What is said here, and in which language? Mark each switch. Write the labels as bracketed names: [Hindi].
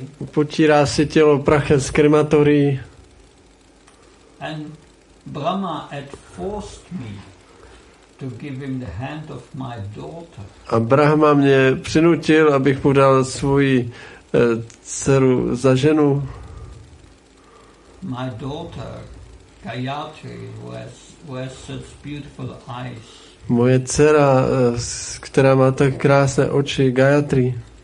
[Czech] Potírá si tělo prachem z krematorií. [English] And Brahma had forced me to give him the hand of my daughter. [Czech] A Brahma mě přinutil, abych mu dal svoji dceru za ženu. [English] My daughter Gayatri, who has such beautiful eyes. [Czech] Moje dcera, která má tak krásné oči, Gayatri.